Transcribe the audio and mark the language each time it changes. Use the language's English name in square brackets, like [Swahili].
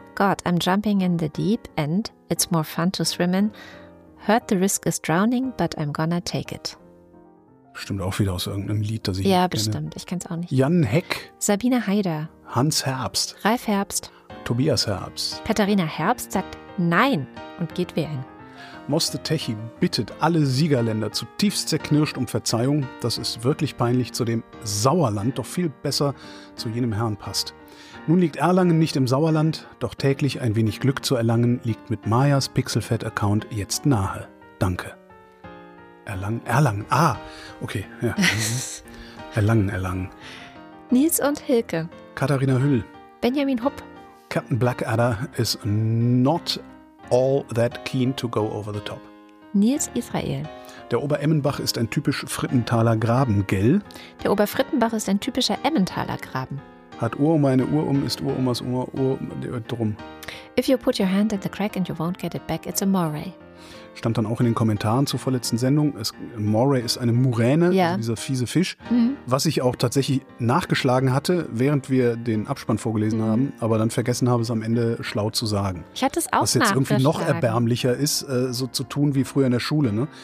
[English] God, I'm jumping in the deep and it's more fun to swim in. Heard the risk is drowning, but I'm gonna take it. [German] Bestimmt auch wieder aus irgendeinem Lied, das ich ja, nicht bestimmt. Kenne. Ich kenn's auch nicht. Jan Heck. Sabine Heider. Hans Herbst. Ralf Herbst. Tobias Herbst. Katharina Herbst sagt Nein und geht wählen. Moste Techi bittet alle Siegerländer zutiefst zerknirscht um Verzeihung. Das ist wirklich peinlich, zu dem Sauerland doch viel besser zu jenem Herrn passt. Nun liegt Erlangen nicht im Sauerland, doch täglich ein wenig Glück zu erlangen, liegt mit Mayas Pixelfett-Account jetzt nahe. Danke. Erlangen. Ah, okay. Ja. Erlangen. Nils und Hilke. Katharina Hüll. Benjamin Hupp. [English] Captain Blackadder is not all that keen to go over the top. [German] Nils Israel. Der Oberemmenbach ist ein typisch Frittenthaler Graben, gell? Der Oberfrittenbach ist ein typischer Emmentaler Graben. Hat Urum eine Urum, ist Urum aus Urum, drum. [English] If you put your hand in the crack and you won't get it back, it's a moray. [German] Stand dann auch in den Kommentaren zur vorletzten Sendung. Moray ist eine Muräne, ja. Also dieser fiese Fisch. Mhm. Was ich auch tatsächlich nachgeschlagen hatte, während wir den Abspann vorgelesen haben, aber dann vergessen habe, es am Ende schlau zu sagen. Ich hatte es auch Was jetzt irgendwie noch erbärmlicher ist, so zu tun wie früher in der Schule. Ne?